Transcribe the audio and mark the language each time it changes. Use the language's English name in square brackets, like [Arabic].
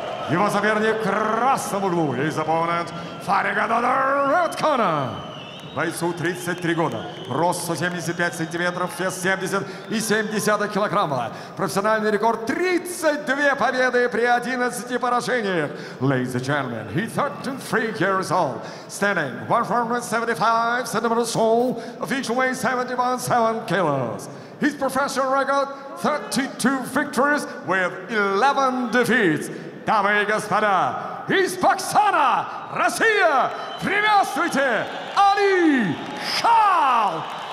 [Russian] Его соперник в красном углу. [English] His opponent, fighting out of the red corner. [Russian] Бойцу 33 года, рост 175 сантиметров, вес 70,7 килограмма. Профессиональный рекорд 32 победы при 11 поражениях. [English] Ladies and gentlemen, he's 33 years old, standing 175 centimeters tall, official weight 71.7 kilos. His professional record 32 victories with 11 defeats. [Russian] Дамы и господа, из Пакистана, Россия, приветствуйте, Али Шалбака!